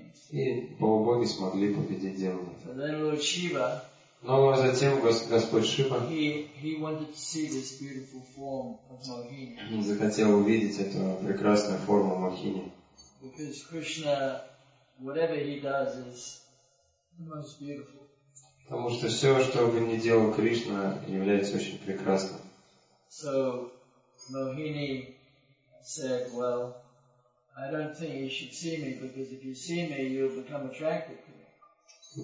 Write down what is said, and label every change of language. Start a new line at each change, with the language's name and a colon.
Russian: И полубоги смогли победить демонов.
English: So then Lord Shiva,
Russian: но затем Господь Шива
English: he wanted to see this beautiful form of Mohini.
Russian: Захотел увидеть эту прекрасную форму Мохини.
English: Because Krishna, whatever he does, is most beautiful.
Russian: Потому что все, что бы ни делал Кришна, является очень прекрасным.
English: So Mohini said, well, I don't think you should see me, because if you see me, you'll become attracted to me.